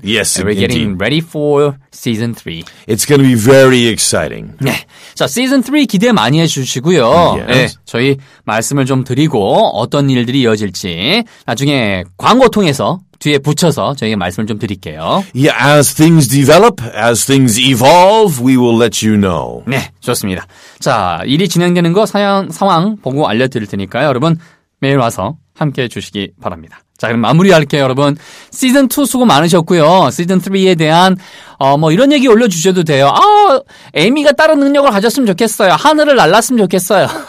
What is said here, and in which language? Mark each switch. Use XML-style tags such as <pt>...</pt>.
<en>Yes, and we're indeed. Getting ready for season 3. It's going to be very exciting.</en> <ko>네. 자, season 3 기대 많이 해 주시고요.</ko> <en>Yes.</en> <ko>네. 저희 말씀을 좀 드리고 어떤 일들이 이어질지 나중에 광고 통해서 뒤에 붙여서 저희가 말씀을 좀 드릴게요.</ko> <en>Yeah, as things develop, as things evolve, we will let you know.</en> <ko>네, 좋습니다. 자, 일이 진행되는 거 상황 보고 알려드릴 테니까요. 여러분, 매일 와서 함께해 주시기 바랍니다. 자, 그럼 마무리할게요, 여러분. 시즌2 수고 많으셨고요. 시즌3에 대한 뭐 이런 얘기 올려주셔도 돼요. 아, 에미가 다른 능력을 가졌으면 좋겠어요. 하늘을 날랐으면 좋겠어요.</ko>